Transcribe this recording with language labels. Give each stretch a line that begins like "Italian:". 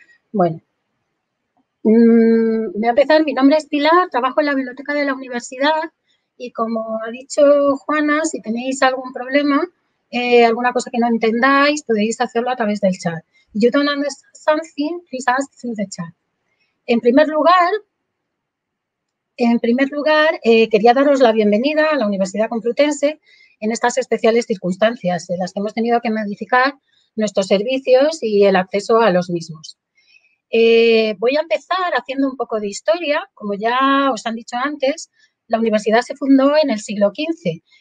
Spanish: Bueno, voy a empezar. Mi nombre es Pilar, trabajo en la biblioteca de la universidad y como ha dicho Juana, si tenéis algún problema, alguna cosa que no entendáis, podéis hacerlo a través del chat.
English: You don't understand something, please ask through the chat.
Spanish: En primer lugar, quería daros la bienvenida a la Universidad Complutense en estas especiales circunstancias en las que hemos tenido que modificar nuestros servicios y el acceso a los mismos. Voy a empezar haciendo un poco de historia. Como ya os han dicho antes, la universidad se fundó en el siglo XV.